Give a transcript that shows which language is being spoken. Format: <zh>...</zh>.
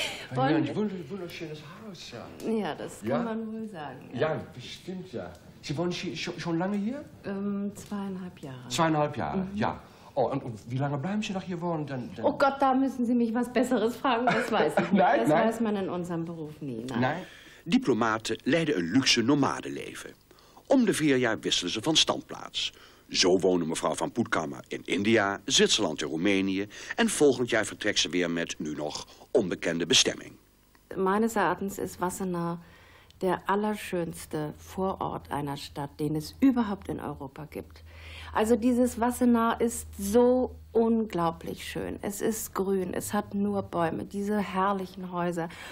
<de>Wir haben ein wunderschönes Haus. Ja, ja, das kann, ja, man wohl sagen. Ja, ja, bestimmt, ja. Sie wohnen schon lange hier? Zweieinhalb Jahre. Zweieinhalb Jahre, mhm, ja. Oh, und wie lange bleiben Sie noch hier wohnen? Denn? Oh Gott, da müssen Sie mich was Besseres fragen, das weiß ich nicht. Nein, das, nein, weiß man in unserem Beruf nie. Nein. Nein.</de> <nl>Diplomaten leiden een luxe nomadenleven. Om de vier jaar wisselen ze van standplaats. Zo wonen mevrouw van Puttkammer in India, Zwitserland en Roemenië. En volgend jaar vertrekt ze weer met nu nog onbekende bestemming.</nl> <de>Meines Erachtens ist Wassenaar der allerschönste Vorort einer Stadt, den es überhaupt in Europa gibt. Also dieses Wassenaar ist so unglaublich schön. Es ist grün, es hat nur Bäume, diese herrlichen Häuser.</de>